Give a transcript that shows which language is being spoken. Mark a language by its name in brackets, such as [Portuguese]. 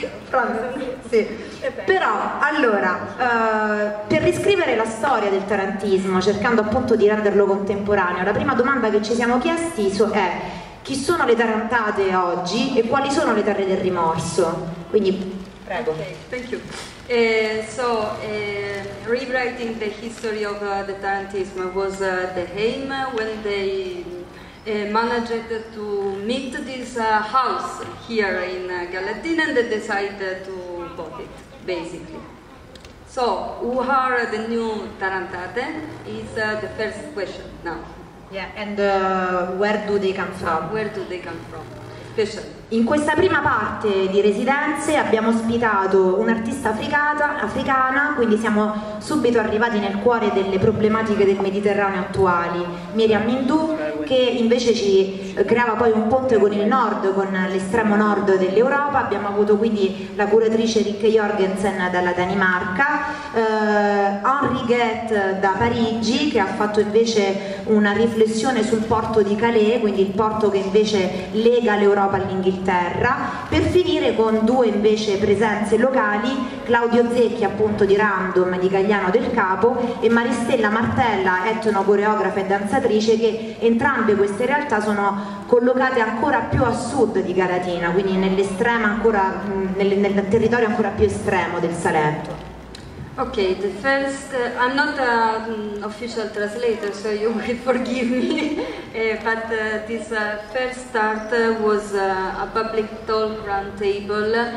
[Italian] pronto? Sì. Però, allora, per riscrivere la storia del tarantismo, cercando appunto di renderlo contemporaneo, la prima domanda che ci siamo chiesti è: chi sono le tarantate oggi e quali sono le terre del rimorso? Quindi, prego. [English] Okay, thank you. Rewriting the history of the tarantismo was the aim when they managed to meet this house here in Galatina and decide to bought it, basically. So, who are the new Tarantate is the first question now. Yeah, and where do they come from? Where do they come from? [Italian] In questa prima parte di residenze abbiamo ospitato un'artista africana, quindi siamo subito arrivati nel cuore delle problematiche del Mediterraneo attuali, Miriam Mindou, che invece ci creava poi un ponte con il nord, con l'estremo nord dell'Europa. Abbiamo avuto quindi la curatrice Rikke Jorgensen dalla Danimarca, Henri Guett da Parigi, che ha fatto invece una riflessione sul porto di Calais, quindi il porto che invece lega l'Europa all'Inghilterra, per finire con due invece presenze locali, Claudio Zecchi appunto di Random di Cagliano del Capo e Maristella Martella, etnocoreografa e danzatrice, che entrambe queste realtà sono collocate ancora più a sud di Galatina, quindi nell'estrema ancora nel territorio ancora più estremo del Salento. [English] Okay, the first, I'm not an official translator, so you will forgive me, but this first start was a public talk round table